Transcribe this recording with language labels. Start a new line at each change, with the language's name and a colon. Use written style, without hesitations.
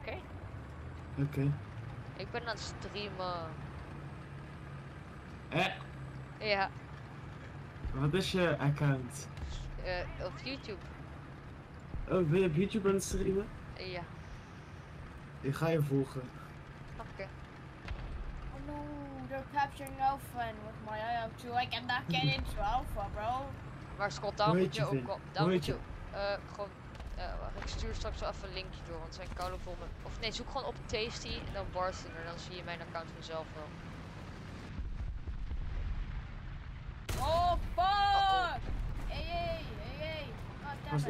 Dutch: Okay? Oké. Okay. Ik ben aan het streamen. Ja. Wat is je account? Op YouTube. Oh, ben je op YouTube aan het streamen? Ja. Ik ga je volgen. Oké.
English: Okay. Oh no, they're capturing Alpha and with my eye up too. I cannot get into Alpha, bro.
Dutch: Maar Scott, daar moet je ook op. Daar moet je. Gewoon. Wacht, ik stuur straks wel even een linkje door, want zijn koude vormen. Of nee, zoek gewoon op Tasty en dan Warthunder. Dan zie je mijn account vanzelf wel.
English: Oh, fuck! Hey, hey, hey, hey.